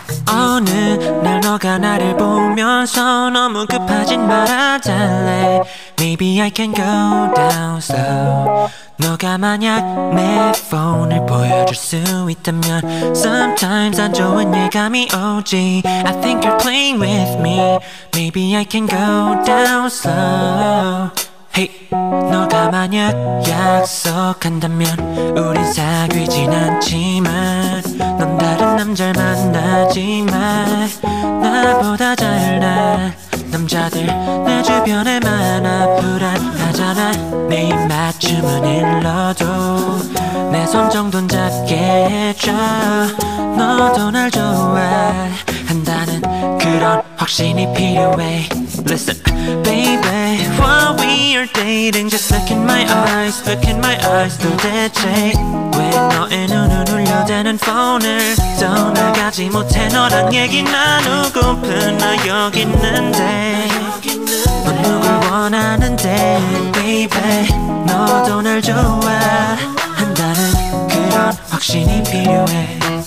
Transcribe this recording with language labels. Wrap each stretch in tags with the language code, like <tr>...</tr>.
<ko>오늘 날 너가 나를 보면서 너무 급하진 말아달래.</ko> <en>Maybe I can go down slow.</en> <ko>너가 만약 내 phone을 보여줄 수 있다면 Sometimes 안 좋은 예감이 오지.</ko> <en>I think you're playing with me. Maybe I can go down slow.</en> <ko>Hey, 너가 만약 약속한다면 우린 사귀진 않지만 넌 다른 남자를 만나지만 나보다 잘난 남자들 내 주변에 많아. 불안하잖아. 내 입 맞춤은 일러도 내 손 정도는 작게 해줘. 너도 날 좋아한다는 그런 확신이 필요해.</ko> <en>Listen, baby. While we are dating, just look in my eyes, look in my eyes.</en> <ko>도대체 왜 너의 눈을 울려대는 phone을 떠나가지 못해. 너랑 얘기 나누고픈 나 여기 있는데 넌 누굴 원하는데. Baby, 너도 날 좋아한다는 그런 확신이 필요해.</ko>